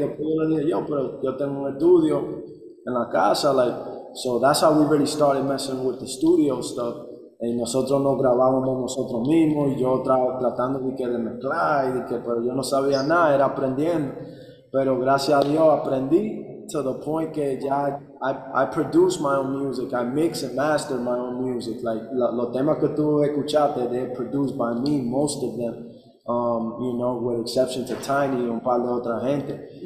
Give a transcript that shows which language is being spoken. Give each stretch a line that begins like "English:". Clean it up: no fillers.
Spanish: Y después yo le dije, yo, pero yo tengo un estudio en la casa.
English: Like, so that's how we really started messing with the studio stuff.
Spanish: Y nosotros nos grabábamos nosotros mismos, y yo tratando de que de mezclar, y que, pero yo no sabía nada, era aprendiendo. Pero gracias a Dios aprendí,
English: to the point
Spanish: que ya
English: I produce my own music, I mix and master my own music. Like,
Spanish: los temas que tú escuchaste,
English: they're produced by me, most of them, you know, with exception to Tiny
Spanish: y un par de otra gente.